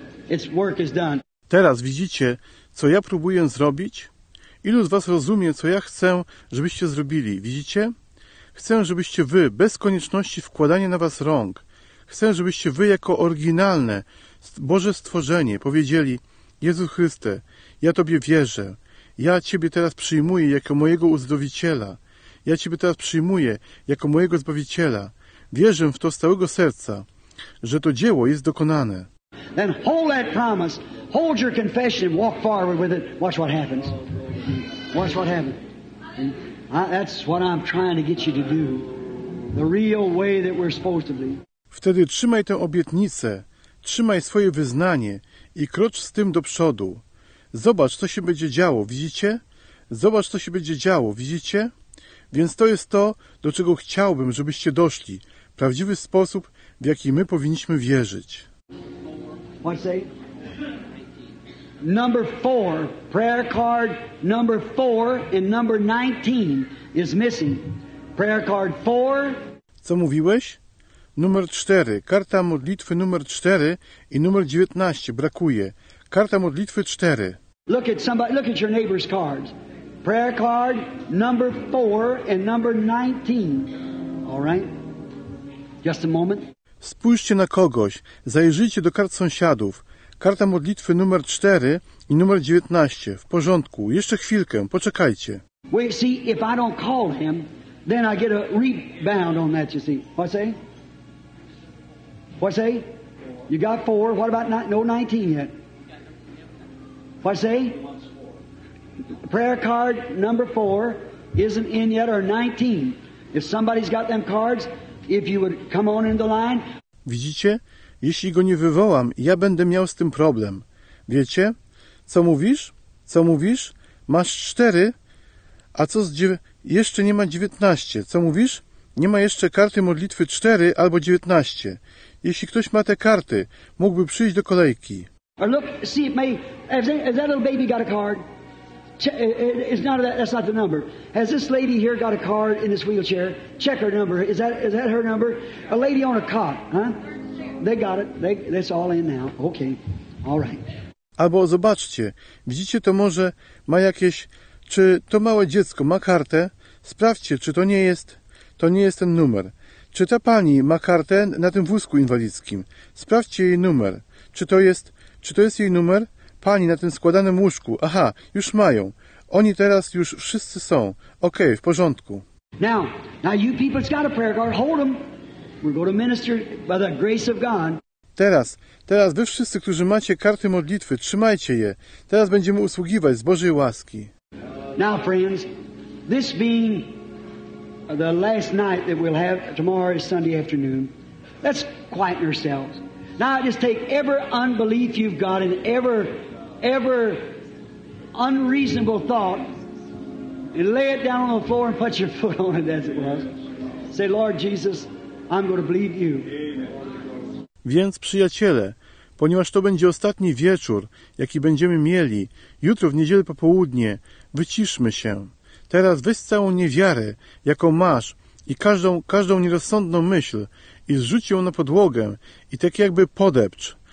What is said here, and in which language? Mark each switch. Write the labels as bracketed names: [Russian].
[English] Its work is done. [Polish] Teraz widzicie, co ja próbuję zrobić? Ilu z was rozumie, co ja chcę, żebyście zrobili? Widzicie? Chcę, żebyście wy, bez konieczności wkładania na was rąk, chcę, żebyście wy jako oryginalne Boże stworzenie powiedzieli: Jezus Chryste, ja Tobie wierzę. Ja Ciebie teraz przyjmuję jako mojego uzdrowiciela. Ja Ciebie teraz przyjmuję jako mojego Zbawiciela. Wierzę w to z całego serca, że to dzieło jest dokonane. [English] Then hold that promise. Hold your confession and walk forward with it. Watch what happens. Watch what happens. That's what I'm trying to get you to do. The real way that we're supposed to be. [Polish] Wtedy trzymaj tę obietnicę, trzymaj swoje wyznanie i krocz z tym do przodu. Zobacz, co się będzie działo, widzicie? Zobacz, co się będzie działo, widzicie? Więc to jest to, do czego chciałbym, żebyście doszli. Prawdziwy sposób, w jaki my powinniśmy wierzyć. [English] Number four, prayer card number four and number 19 is missing. Prayer card four. [Polish] Co mówiłeś? Numer 4, karta modlitwy numer 4 i numer 19 brakuje. Karta modlitwy 4. [English] Look at somebody, look at your neighbor's cards. Prayer card number 4 and number 19. All right? Just a moment. [Polish] Spójrzcie na kogoś, zajrzyjcie do kart sąsiadów. Karta modlitwy numer 4 i numer 19. W porządku. Jeszcze chwilkę, poczekajcie. [English] Wait, see, if I don't call him, then I get a rebound on that, you see. What say? What say? You got four. What about not, no 19 yet? What say? Prayer card number four isn't in yet, or 19. If somebody's got them cards, if you would come on in the line. [Polish] Widzicie? Jeśli go nie wywołam, ja będę miał z tym problem. Wiecie? Co mówisz? Co mówisz? Masz 4, a co z jeszcze nie ma 19. Co mówisz? Nie ma jeszcze karty modlitwy 4 albo 19. Jeśli ktoś ma te karty, mógłby przyjść do kolejki. [English] Or look, see if may, has that little baby got a card? It's not that, that's not the number. Has this lady here got a card in this wheelchair? Check her number. Is that her number? A lady on a cot, huh? They got it. That's all in now. Okay. All right. [Polish] Albo zobaczcie, widzicie, to może ma jakieś, czy to małe dziecko ma kartę? Sprawdźcie, czy to nie jest ten numer. Czy ta pani ma kartę na tym wózku inwalidzkim? Sprawdźcie jej numer. Czy to jest jej numer? Pani na tym składanym łóżku. Aha, już mają. Oni teraz już wszyscy są. Okej, w porządku. [English] Now you people that's got a prayer card, hold them. We're going to minister by the grace of God. [Polish] Teraz wy wszyscy, którzy macie karty modlitwy, trzymajcie je. Teraz będziemy usługiwać z Bożej łaski. [English] Now friends, this being the last night that we'll have, tomorrow is Sunday afternoon. Let's quieten ourselves. Now just take every unbelief you've got and every unreasonable thought and lay it down on the floor and put your foot on it as it was. Say, Lord Jesus, I'm going to believe you. [Polish] Więc przyjaciele, ponieważ to będzie ostatni wieczór, jaki będziemy mieli, jutro w niedzielę po południe, wyciszmy się. Teraz weź całą niewiarę, jaką masz, i każdą nierozsądną myśl, i zrzuć ją na podłogę, i tak jakby podepcz.